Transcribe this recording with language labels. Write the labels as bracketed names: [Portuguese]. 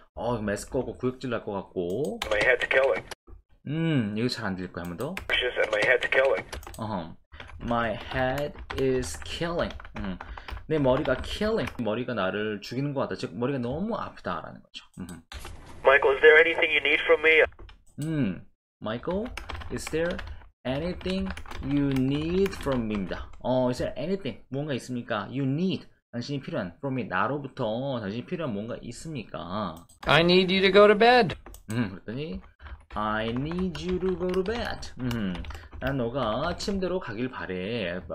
[Korean] 메스꺼우고 구역질 날것 같고. [English] My head's killing. [Korean] 이거 잘안 들릴 거야, 한번 더. [English] And my head's killing. My head is killing. [Korean] 내 머리가 [English] killing. [Korean] 머리가 나를 죽이는 것 같다. 즉, 머리가 너무 아프다라는 거죠. [English] Michael, is there anything you need from me? Michael, is there anything you need from me입니다. Is there anything? [Korean] 뭔가 있습니까? [English] You need. [Korean] 당신이 필요한. [English] From me. [Korean] 나로부터 당신이 필요한 뭔가 있습니까? [English] I need you to go to bed. [Korean] 그랬더니, [English] I need you to go to bed. [Korean] 난 너가 침대로 가길 바래.